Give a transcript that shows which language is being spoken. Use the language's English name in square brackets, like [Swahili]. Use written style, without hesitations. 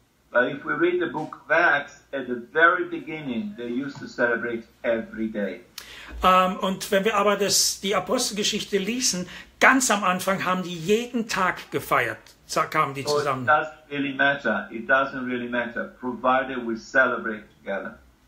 [English] But if we read the book of Acts, at the very beginning, they used to celebrate every day. [German] Und wenn wir aber die Apostelgeschichte lesen, ganz am Anfang haben die jeden Tag gefeiert, kamen die zusammen. [English] So it doesn't really matter. It doesn't really matter, provided we celebrate together.